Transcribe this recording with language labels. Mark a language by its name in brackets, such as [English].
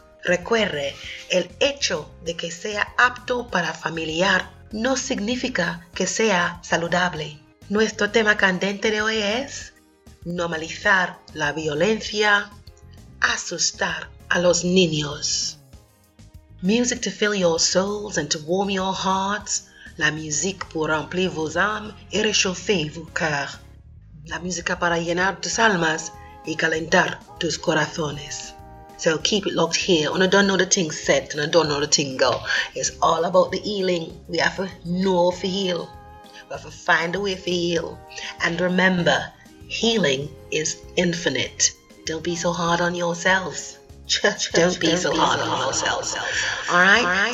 [Spanish] Recuerde, el hecho de que sea apto para familiar no significa que sea saludable. Nuestro tema candente de hoy es normalizar la violencia, asustar a los niños. [English] Music to fill your souls and to warm your hearts. [French] La musique pour remplir vos âmes et réchauffer vos cœurs. [Spanish] La música para llenar tus almas y calentar tus corazones. [English] So keep it locked here on a Don't Know The Thing set and a Don't Know The Thing go. It's all about the healing. We have to know for heal. We have to find a way for heal. And remember, healing is infinite. Don't be so hard on yourselves. Don't be so hard on yourselves. Alright?